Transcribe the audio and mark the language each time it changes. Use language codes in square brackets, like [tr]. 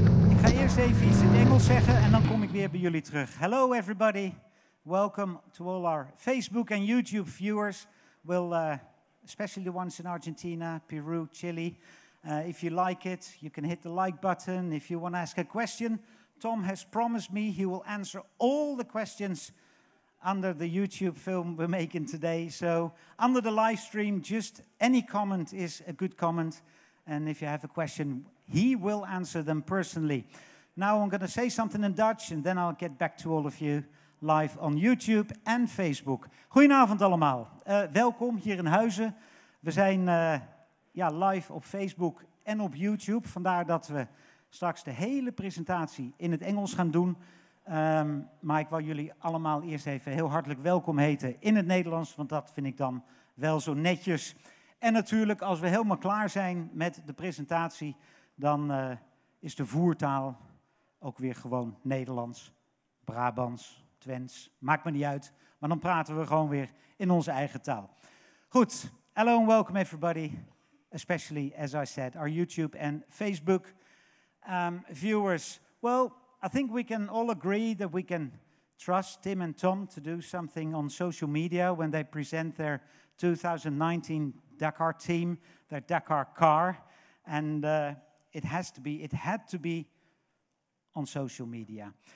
[nl] Ik ga eerst even iets in Engels zeggen en dan kom ik weer bij jullie terug. [en] Hello everybody. Welcome to all our Facebook and YouTube viewers. Especially the ones in Argentina, Peru, Chile. If you like it, you can hit the like button. If you want to ask a question, Tom has promised me he will answer all the questions under the YouTube film we're making today. So under the live stream, just any comment is a good comment. And if you have a question, he will answer them personally. Now I'm going to say something in Dutch and then I'll get back to all of you live on YouTube en Facebook. [nl] Goedenavond allemaal. Welkom hier in Huizen. We zijn live op Facebook en op YouTube. Vandaar dat we straks de hele presentatie in het Engels gaan doen. Maar ik wou jullie allemaal eerst even heel hartelijk welkom heten in het Nederlands. Want dat vind ik dan wel zo netjes. En natuurlijk, als we helemaal klaar zijn met de presentatie, dan is de voertaal ook weer gewoon Nederlands, Brabants, Twents. Maakt me niet uit, maar dan praten we gewoon weer in onze eigen taal. Goed, [en] hello and welcome everybody, especially, as I said, our YouTube and Facebook viewers. Well, I think we can all agree that we can trust Tim and Tom to do something on social media when they present their 2019 Dakar team, their Dakar car, and it had to be on social media.